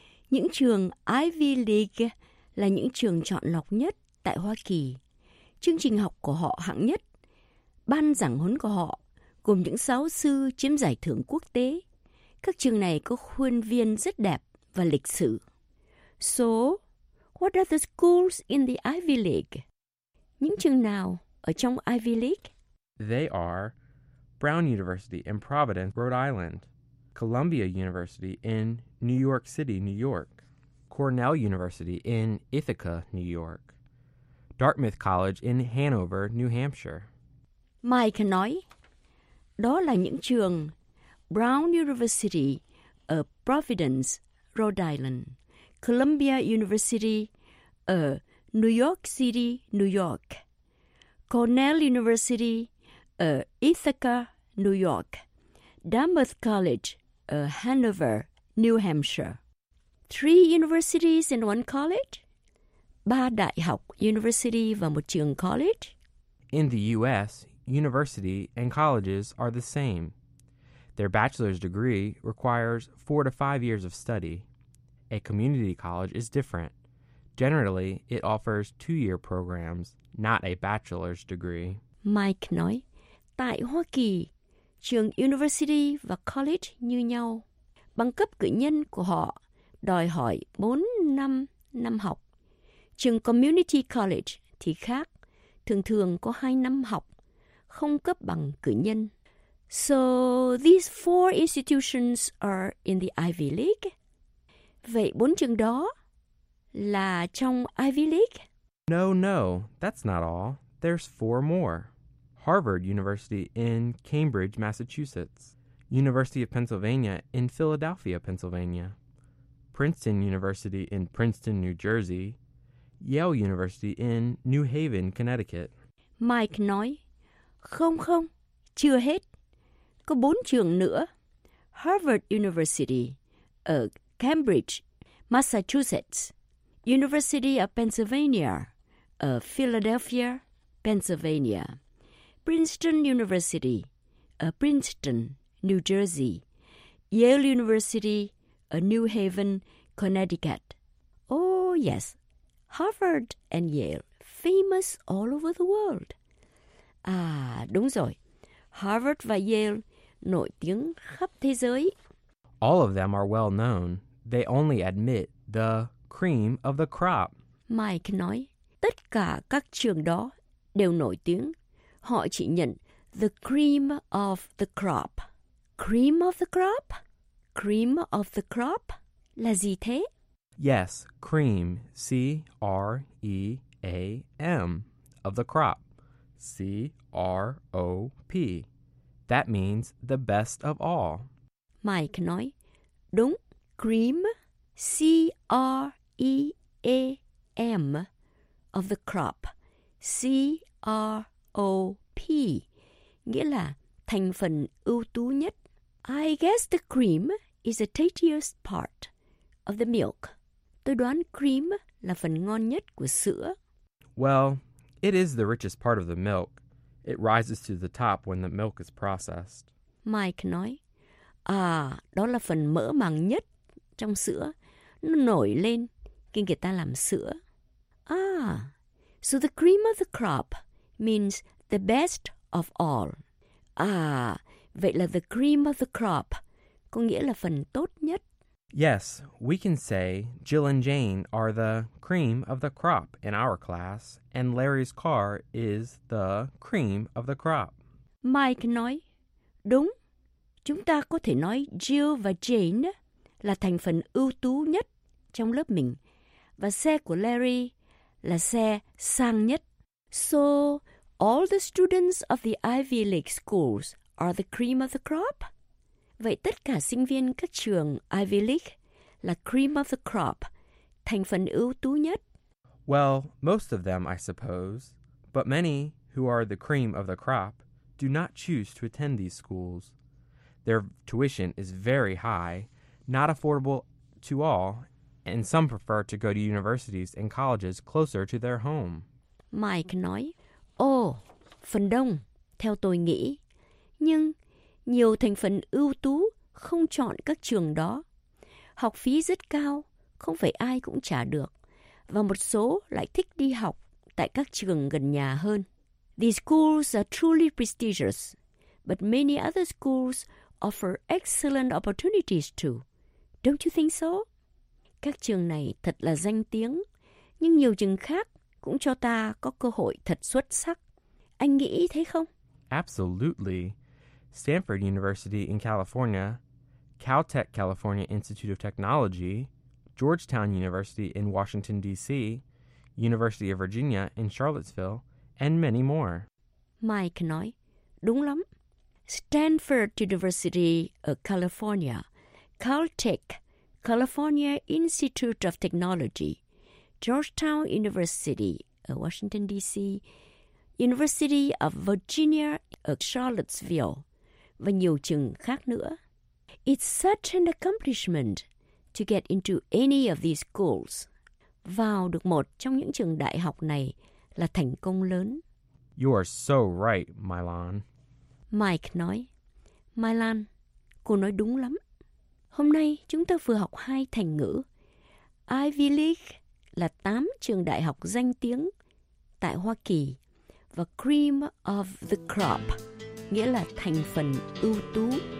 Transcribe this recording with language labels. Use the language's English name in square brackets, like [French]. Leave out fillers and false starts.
[Vietnamese] Những trường Ivy League là những trường chọn lọc nhất tại Hoa Kỳ. Chương trình học của họ hạng nhất, ban giảng huấn của họ gồm những giáo sư chiếm giải thưởng quốc tế. Các trường này có khuôn viên rất đẹp và lịch sự. [English] So, what are the schools in the Ivy League? [Vietnamese] Những trường nào ở trong Ivy League? [English] They are Brown University in Providence, Rhode Island, Columbia University in New York City, New York, Cornell University in Ithaca, New York, Dartmouth College in Hanover, New Hampshire. [Vietnamese] Mike nói, đó là những trường Brown University ở Providence, Rhode Island, Columbia University ở New York City, New York, Cornell University ở Ithaca, New York, Dartmouth College ở Hanover, New Hampshire. [English] Three universities and one college? [Vietnamese] Ba đại học, university và một trường college? [English] In the U.S., university and colleges are the same. Their bachelor's degree requires 4 to 5 years of study. A community college is different. Generally, it offers 2-year programs, not a bachelor's degree. [Vietnamese] Mike nói, tại Hoa Kỳ, trường university và college như nhau. Bằng cấp cử nhân của họ đòi hỏi 4 năm năm học. Trường Community College thì khác, thường thường có 2 năm học, không cấp bằng cử nhân. [English] So, these 4 institutions are in the Ivy League? [Vietnamese] Vậy 4 trường đó là trong Ivy League? [English] No, no, that's not all. There's 4 more. Harvard University in Cambridge, Massachusetts. University of Pennsylvania in Philadelphia, Pennsylvania. Princeton University in Princeton, New Jersey. Yale University in New Haven, Connecticut. [Vietnamese] Mike nói, không không, chưa hết. Có 4 trường nữa. Harvard University ở Cambridge, Massachusetts. University of Pennsylvania ở Philadelphia, Pennsylvania. Princeton University ở Princeton, New Jersey. Yale University ở New Haven, Connecticut. [English] Oh, yes. Harvard and Yale, famous all over the world. [Vietnamese] À, đúng rồi. Harvard và Yale nổi tiếng khắp thế giới. [English] All of them are well known. They only admit the cream of the crop. [Vietnamese] Mike nói, tất cả các trường đó đều nổi tiếng. Họ chỉ nhận [English] the cream of the crop. Cream of the crop? Cream of the crop? [Vietnamese] Là gì thế? [English] Yes, cream, C-R-E-A-M, of the crop, C-R-O-P. That means the best of all. [Vietnamese] Mike nói, đúng, [English] cream, C-R-E-A-M, of the crop, C-R-O-P, [Vietnamese] nghĩa là thành phần ưu tú nhất. [English] I guess the cream is the tastiest part of the milk. [Vietnamese] Tôi đoán cream là phần ngon nhất của sữa. [English] Well, it is the richest part of the milk. It rises to the top when the milk is processed. [Vietnamese] Mike nói, à, đó là phần mỡ màng nhất trong sữa. Nó nổi lên khi người ta làm sữa. À, [English] So the cream of the crop means the best of all. [Vietnamese] À, vậy là [English] the cream of the crop [Vietnamese] có nghĩa là phần tốt nhất. [English] Yes, we can say Jill and Jane are the cream of the crop in our class, and Larry's car is the cream of the crop. [Vietnamese] Mike nói, đúng, chúng ta có thể nói Jill và Jane là thành phần ưu tú nhất trong lớp mình, và xe của Larry là xe sang nhất. [English] So, all the students of the Ivy League schools are the cream of the crop? [Vietnamese] Vậy tất cả sinh viên các trường Ivy League là [English] cream of the crop, [Vietnamese] thành phần ưu tú nhất? [English] Well, most of them, I suppose. But many, who are the cream of the crop, do not choose to attend these schools. Their tuition is very high, not affordable to all, and some prefer to go to universities and colleges closer to their home. [Vietnamese] Mike nói, phần đông, theo tôi nghĩ. Nhưng nhiều thành phần ưu tú không chọn các trường đó. Học phí rất cao, không phải ai cũng trả được. Và một số lại thích đi học tại các trường gần nhà hơn. [English] These schools are truly prestigious, but many other schools offer excellent opportunities too. Don't you think so? [Vietnamese] Các trường này thật là danh tiếng, nhưng nhiều trường khác cũng cho ta có cơ hội thật xuất sắc. Anh nghĩ thế không? [English] Absolutely. Stanford University in California, Caltech California Institute of Technology, Georgetown University in Washington, D.C., University of Virginia in Charlottesville, and many more. [Vietnamese] Mike nói, đúng lắm. Stanford University of California, Caltech California Institute of Technology, Georgetown University of Washington, D.C., University of Virginia of Charlottesville, và nhiều trường khác nữa. [English] It's such an accomplishment to get into any of these schools. [Vietnamese] Vào được một trong những trường đại học này là thành công lớn. [English] You are so right, Mylan. [Vietnamese] Mike nói, Mylan, cô nói đúng lắm. Hôm nay chúng ta vừa học hai thành ngữ. Ivy League là 8 trường đại học danh tiếng tại Hoa Kỳ và [English] cream of the crop, [Vietnamese] nghĩa là thành phần ưu tú.